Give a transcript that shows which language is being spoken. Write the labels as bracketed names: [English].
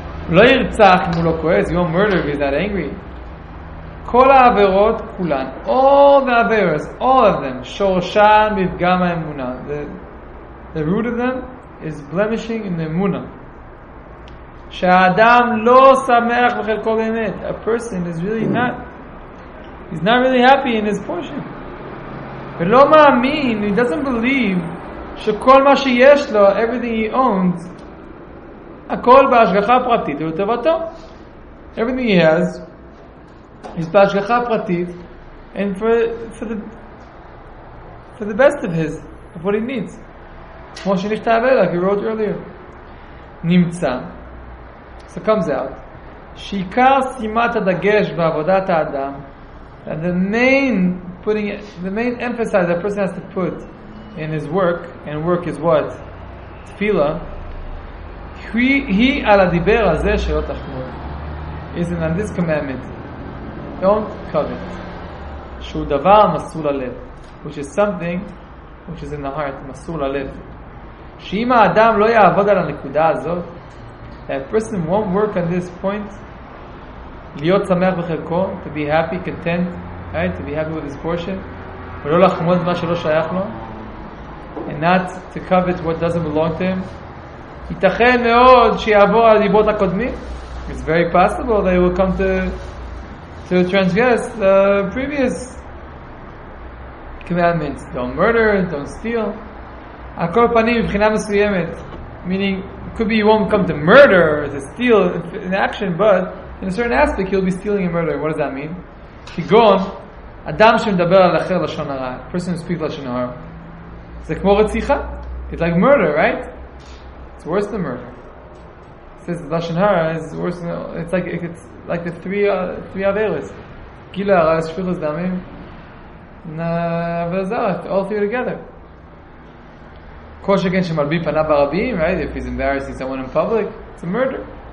[Hebrew] לא ירצח אם הוא לא כועס, [English] he won't murder if he's not angry. [Hebrew] כל העבירות כולן, [English] all the averas, all of them, [Hebrew] שורשן בפגם האמונה. [English] The root of them is blemishing in the אמונה. [Hebrew] שהאדם לא שמח בחלקו באמת. [English] A person is really not, he's not really happy in his portion. [Hebrew] ולא מאמין, [English] he doesn't believe [Hebrew] שכל מה שיש לו, [English] everything he owns, [Hebrew] הכל בהשגחה פרטית ולטובתו. [English] Everything he has is [Hebrew] בהשגחה פרטית [English] and for the best of his, of what he needs. [Hebrew] כמו שנכתב אלה, [English] he wrote earlier. [Hebrew] נמצא. [English] So comes out. [Hebrew] שעיקר שימת הדגש בעבודת האדם, [English] and the main emphasis that a person has to put in his work, and work is what? Tefillah. [Hebrew] He על הדיבר הזה שלא תחמוד. [English] Isn't on this commandment. Don't covet. [Hebrew] שהוא דבר מסור ללב. [English] Which is something which is in the heart. [Hebrew] מסור ללב. שאם האדם לא יעבוד על הנקודה הזאת, [English] a person won't work on this point, [Hebrew] להיות שמח בחלקו, [English] to be happy, content, right? To be happy with his portion, [Hebrew] ולא לחמוד מה שלא שייך לו, [English] and not to covet what doesn't belong to him. [Hebrew] ייתכן מאוד שיעבור על הדיברות הקודמים. [English] It's very possible that he will come to transgress the previous commandments. Don't murder, don't steal. [Hebrew] על כל פנים, מבחינה מסוימת, [English] meaning, could be he won't come to murder or to steal in action, but in a certain aspect he'll be stealing and murdering. What does that mean? [Hebrew] כגון אדם שמדבר על אחר לשון הרע, [English] person who speaks [Hebrew] לשון הרע, זה כמו רציחה. [English] It's like murder, right? It's worse than murder. Since lashon hara is worse than, it's like the three averos. [Hebrew] Gila hara, shpichus damim, na avazarat, [English] all three together. [Hebrew] Kol shekein shemalbi panav harabim, [English] right? If he's embarrassing someone in public, it's a murder.